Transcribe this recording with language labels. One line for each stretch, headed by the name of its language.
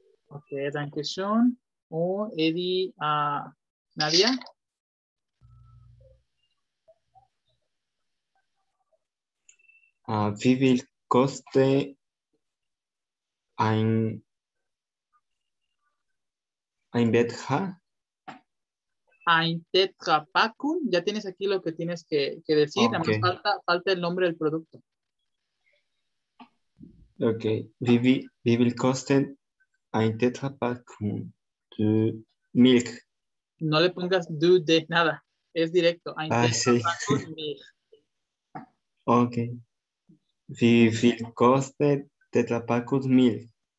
German: Ok, danke schön. Oh, Eddie, Nadia. Wie viel coste ein Tetra? Ein Tetra Packung.
Spanish: Ya tienes aquí lo que tienes que decir. Okay. Además, falta el nombre del producto. Ok.
German: Wie viel kostet ein Tetra Packung du Milch?
Spanish: No le pongas du de nada. Es directo.
German: Ein Tetra Packung Milch. Ok. Wie viel kostet Tetra Packung Milch?